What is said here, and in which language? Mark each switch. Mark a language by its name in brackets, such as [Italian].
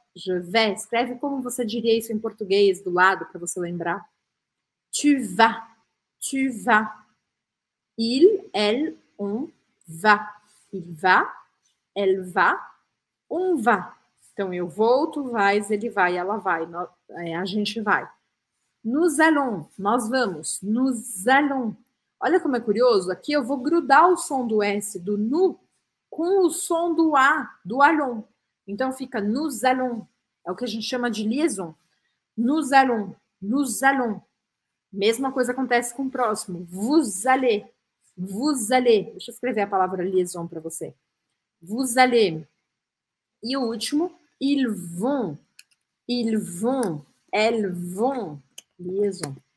[French] Je vais, [Portuguese] escreve como você diria isso em português do lado para você lembrar. [French] Tu vas, il, elle, on va, il va, elle va, on va. [Portuguese] Então eu vou, tu vais, ele vai, ela vai, nós, a gente vai. [French] Nous allons, [Portuguese] nós vamos, [French] nous allons. [Portuguese] Olha como é curioso, aqui eu vou grudar o som do S do nu com o som do A do allons. Então fica [French] nous allons. [Portuguese] É o que a gente chama de liaison. [French] Nous allons, nous allons. [Portuguese] Mesma coisa acontece com o próximo. [French] Vous allez, vous allez. [Portuguese] Deixa eu escrever a palavra liaison para você. [French] Vous allez. [Portuguese] E o último, [French] ils vont, elles vont. Liaison.